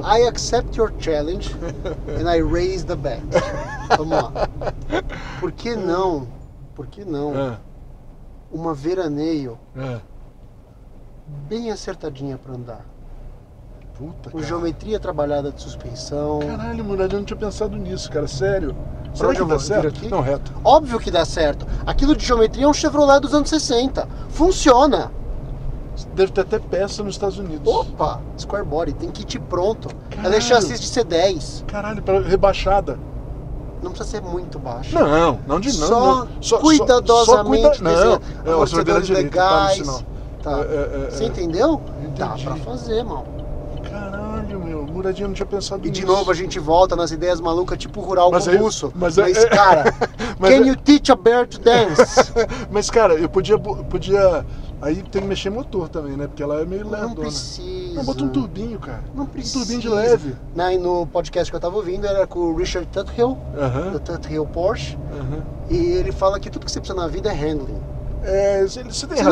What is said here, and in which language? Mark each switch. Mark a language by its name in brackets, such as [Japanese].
[English] I accept your challenge and I raise the bet. [Portuguese] Vamos lá. Por que não? Uma veraneio bem acertadinha pra andar. Puta, com geometria trabalhada de suspensão. Caralho, Muradinho, eu não tinha pensado nisso, cara. Sério? Será que dá certo? Aqui? Não, reto. Óbvio que dá certo. Aquilo de geometria é um Chevrolet dos anos 60. Funciona. Deve ter até peça nos Estados Unidos. Opa! Square body, tem kit pronto. Caralho. Ela é chassi de C10. Caralho, pra rebaixada. Não precisa ser muito baixa. Não. Só cuidadosamente. Só cuida... Não, é tá o sinal. Tá. Você entendeu? Entendi. Dá pra fazer, mal. Meu, Muradinho, eu não tinha pensado nisso. E de novo a gente volta nas ideias malucas, tipo rural com russo. Mas, cara, [English] can you teach a bear to dance? [Portuguese] Mas, cara, eu podia. Aí tem que mexer motor também, né? Porque ela é meio lerdona. Não precisa. Não, bota um turbinho, cara. Não precisa. Um turbinho de leve. Aí no podcast que eu tava ouvindo era com o Richard Tuthill, uh-huh. do Tuthill Porsche. Uh-huh. E ele fala que tudo que você precisa na vida é handling. Você tem razão.